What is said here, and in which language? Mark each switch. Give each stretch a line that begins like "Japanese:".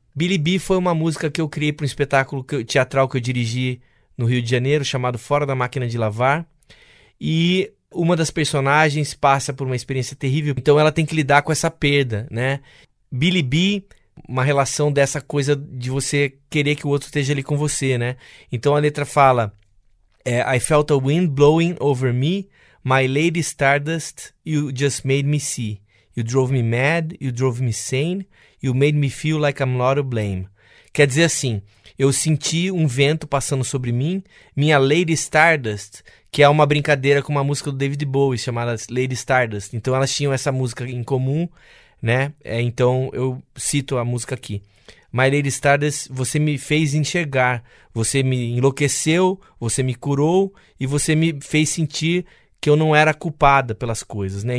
Portuguese: Billy B foi uma música que eu criei para um espetáculo teatral que eu dirigi no Rio de Janeiro, chamado Fora da Máquina de Lavar. E uma das personagens passa por uma experiência terrível, então ela tem que lidar com essa perda, né? Billy Bee, uma relação dessa coisa de você querer que o outro esteja ali com você, né? Então a letra fala:
English: I felt a wind blowing over me, my lady stardust, you just made me see. You drove me mad, you drove me sane, you made me feel like I'm not to blame.
Portuguese: Quer dizer assim, eu senti um vento passando sobre mim, minha lady stardust, que é uma brincadeira com uma música do David Bowie chamada Lady Stardust. Então elas tinham essa música em comum, né? Então eu cito a música aqui. My Lady Stardust, você me fez enxergar, você me enlouqueceu, você me curou e você me fez sentir que eu não era culpada pelas coisas, né?